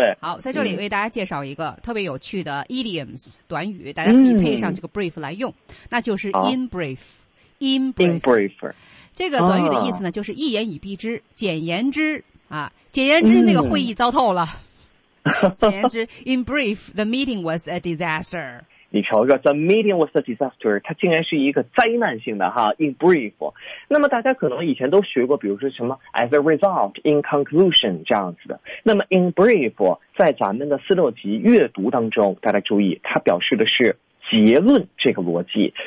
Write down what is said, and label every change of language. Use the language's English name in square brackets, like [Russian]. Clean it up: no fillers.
[Chinese] 对，好，在这里为大家介绍一个特别有趣的 idioms 短语，大家可以配上这个 brief 来用，那就是 in brief。 [English] in brief。 in brief。 [Chinese] 这个短语的意思呢，就是一言以蔽之，简言之啊，简言之那个会议糟透了。简言之 [English] ，in brief the meeting was a disaster。 [Chinese] 你瞧着 ， [English] the meeting was a disaster， [Chinese] 它竟然是一个灾难性的哈 ， [English] in brief。 [Chinese] 那么大家可能以前都学过，比如说什么 [English] as a result，in conclusion [Chinese] 这样子的。那么 in brief 在咱们的4-6级阅读当中，大家注意，它表示的是结论这个逻辑。